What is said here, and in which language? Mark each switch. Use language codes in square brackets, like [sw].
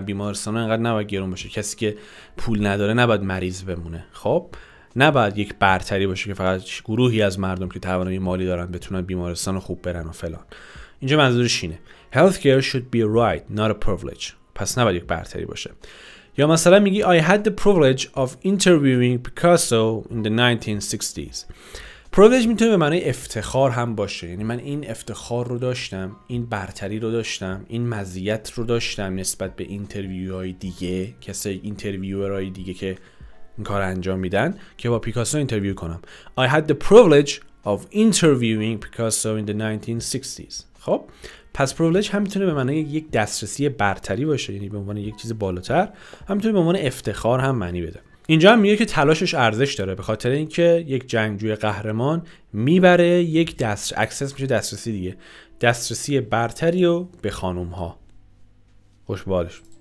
[fa] بیمارستان اینقدر نباید گرون باشه، کسی که پول نداره نباید مریض بمونه. خب نباید یک برتری باشه که فقط گروهی از مردم که توانایی مالی دارن بتونن بیمارستان خوب برن و فلان. اینجا منظورش اینه [en] healthcare should be a right not a privilege، [fa] پس نباید یک برتری باشه. یا مثلا میگی [en] I had the privilege of interviewing Picasso in the 1960s. [fa] پرویلیج میتونه به معنی افتخار هم باشه، یعنی من این افتخار رو داشتم، این برتری رو داشتم، این مزیت رو داشتم نسبت به اینترویوهای دیگه، کسی اینترویوهای دیگه که این کار انجام میدن که با پیکاسو اینترویو کنم. [en] I had the privilege of interviewing Picasso in the 1960s. [fa] خب پس پرویلیج هم میتونه به معنی یک دسترسی برتری باشه، یعنی به عنوان یک چیز بالاتر، هم میتونه به عنوان افتخار هم معنی بده. اینجا هم میگه که تلاشش ارزش داره به خاطر اینکه یک جنگجوی قهرمان میبره یک دست اکسس میشه دسترسی دیگه، دسترسی برتری رو به خانم ها. خوش بالش.